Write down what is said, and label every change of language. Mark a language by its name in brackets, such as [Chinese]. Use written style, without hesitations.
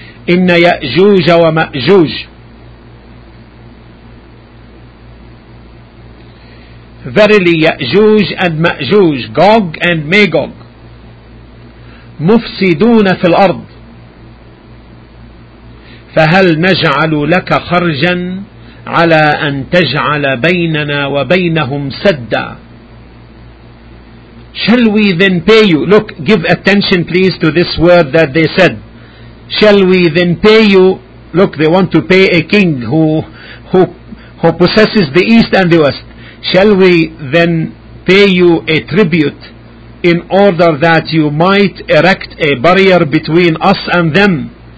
[Arabic] إن يأجوج ومأجوج. [English] Verily يأجوج and مأجوج, Gog and Magog, [Arabic] مفسدون في الأرض. فهل نجعل لك خرجا على أن تجعل بيننا وبينهم سدا. [English] Shall we then pay you? Look, give attention please to this word that they said. Shall we then pay you? Look, they want to pay a king who possesses the east and the west. Shall we then pay you a tribute in order that you might erect a barrier between us and them?